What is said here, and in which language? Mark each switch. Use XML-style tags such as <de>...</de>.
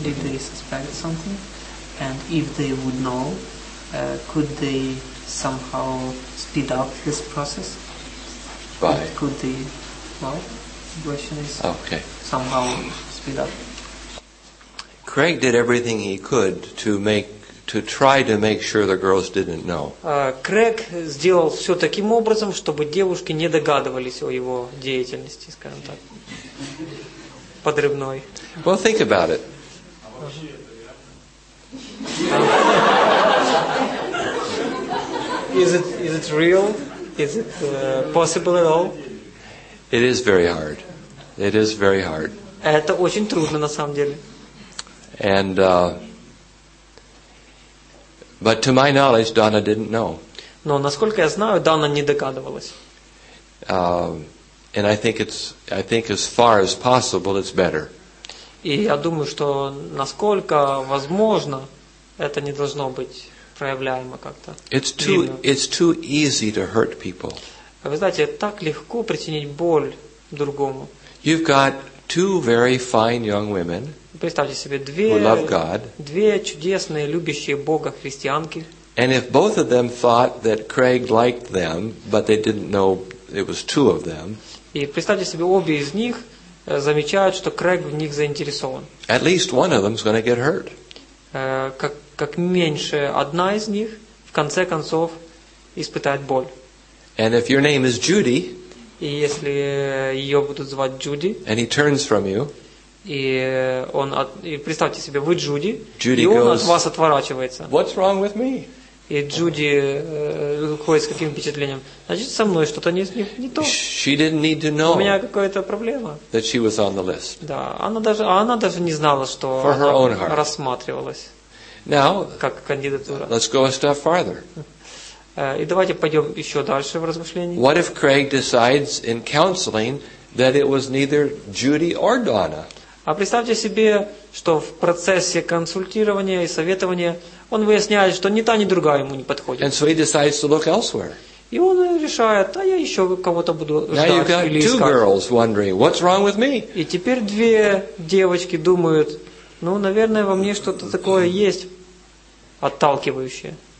<en>Did they suspect something? And if they would know, could they somehow speed up this process? Why? Could they, well, the question is, okay, somehow speed up? Craig did everything he could to try to make sure the girls didn't know.</en> <ru>Craig сделал все таким образом, чтобы девушки не догадывались о его деятельности, скажем так, подрывной.</ru> <en>Well, think about it. Is it real? Is it possible at all? It is very hard. It is very hard.</en> <ru>Это очень трудно на самом деле.</ru> <en>And but to my knowledge, Donna didn't know.</en> <ru>Но насколько я знаю, Дана не догадывалась.</ru> <en>And I think as far as possible, it's better.</en> <ru>И я думаю, что насколько возможно, это не должно быть проявляемо как-то.</ru> <en>It's too easy to hurt people.</en> <ru>Вы знаете, так легко причинить боль другому.</ru> <en>You've got two very fine young women.</en> <ru>Представьте себе две чудесные любящие Бога христианки.</ru> <en>And if both of them thought that Craig liked them, but they didn't know it was two of them.</en> <ru>И представьте себе, обе из них замечают, что Крейг в них заинтересован.</ru> <en>At least one of them is going to get hurt.</en> <ru>Как меньше одна из них в конце концов испытает боль.</ru> <en>And if your name is Judy,</en> <ru>И если ее будут звать Джуди,</ru> <en>and he turns from you,</en> <ru>и он от, и представьте себе, вы Джуди, Judy и он</ru> <en>goes,</en> <ru>от вас отворачивается.</ru> <en>What's wrong with me?</en> <ru>И Джуди ходит с каким впечатлением? Значит, со мной что-то не то.</ru> <en>She didn't need to know,</en> <ru>у меня какая-то проблема.</ru> <en>That she was on the list.</en> <ru>Да, она даже не знала, что</ru> <en>for her own heart</en> <ru>рассматривалась.</ru> <en>Now,</en> <ru>как кандидатура.</ru> <en>Let's go a step farther.</en> <ru>И давайте пойдем еще дальше в размышлении.</ru> <en>What if Craig decides in counseling that it was neither Judy or Donna?</en> <ru>А представьте себе, что в процессе консультирования и советования он выясняет, что ни та, ни другая ему не подходит.</ru> <en>And so he decides to look elsewhere.</en> <ru>И он решает, а я еще кого-то буду ждать или искать.</ru> <en>Now you've got two girls wondering, what's wrong with me?</en> <ru>И теперь две девочки думают, ну, наверное, во мне что-то такое есть отталкивающее.</ru>